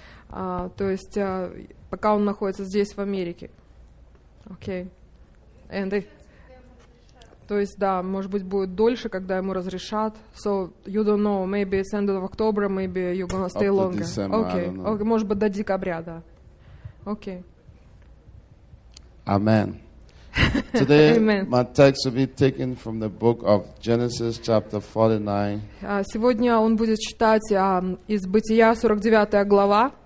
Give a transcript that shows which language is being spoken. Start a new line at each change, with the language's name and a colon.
Russian: То есть пока он находится здесь, в Америке. Окей. Okay. То есть, да, может быть, будет дольше, когда ему разрешат.
English: So, you don't know, maybe it's end of October, maybe you're gonna stay longer. Up to December, okay. I don't know.
Russian: Okay, может быть, до декабря, да. Окей.
English: Okay. Amen. Today, Amen. My text will be taken from the book of Genesis, chapter 49.
Russian: Сегодня он будет читать из Бытия, 49 глава.